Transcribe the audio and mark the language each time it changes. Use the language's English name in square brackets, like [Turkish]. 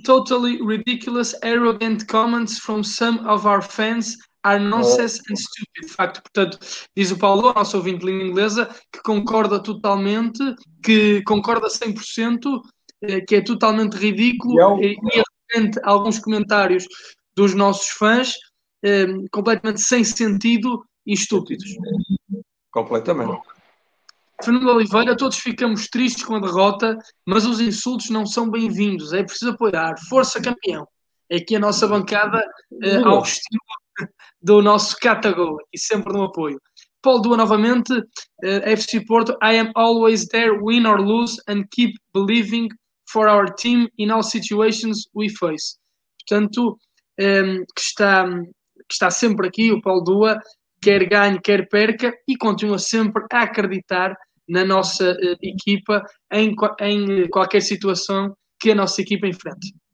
[English] Totally ridiculous, arrogant comments from some of our fans are nonsense and stupid. [Portuguese] De facto, portanto, diz o Paulo, nosso ouvinte de língua inglesa, que concorda totalmente, que concorda 100%, que é totalmente ridículo e arrogante alguns comentários dos nossos fãs, completamente sem sentido e estúpidos. Completamente. Fernando Oliveira, todos ficamos tristes com a derrota, mas os insultos não são bem-vindos. É preciso apoiar. Força, campeão. É aqui a nossa bancada, ao estilo do nosso catagol e sempre no apoio. [English] Paulo Dua novamente, FC Porto, I am always there, win or lose, and keep believing for our team in all situations we face. [Portuguese] Portanto, que está sempre aqui, o Paulo Dua, quer ganhe, quer perca, e continua sempre a acreditar na nossa equipa, em qualquer situação que a nossa equipa enfrente.